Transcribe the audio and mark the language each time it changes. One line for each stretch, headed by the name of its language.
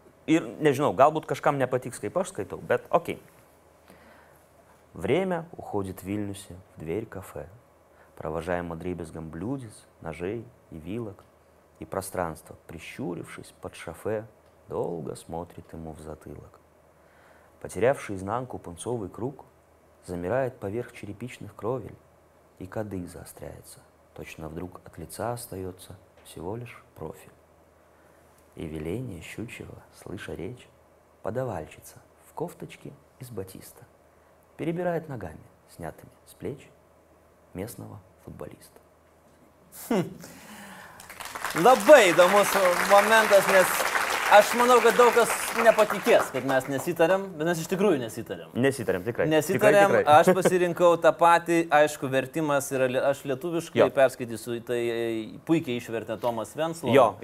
Lithuanian: Ir nežinau, galbūt kažkam nepatiks, kaip aš skaitau, bet okei.
Russian: Время уходит в Вильнюс и в дверь кафе, провожаемо дребезгом блюдец, ножей и вилок. И пространство, прищурившись под шофе, долго смотрит ему в затылок. Потерявший изнанку пунцовый круг, замирает поверх черепичных кровель, и кадык заостряется. Точно вдруг от лица остается всего лишь профиль. И веление щучьего, слыша речь, подавальщица в кофточке из батиста, перебирает ногами, снятыми с плеч, местного футболиста.
Lithuanian: Labai įdomus momentas, nes aš manau, kad daug kas nepatikės, kad mes nesitarėm, bet mes iš tikrųjų nesitarėm. Nesitarėm, tikrai. Nesitarėm, tikrai. Aš pasirinkau tą patį, aišku, vertimas yra, aš lietuviškai perskaitysiu, tai puikiai išvertė Tomas Venclova.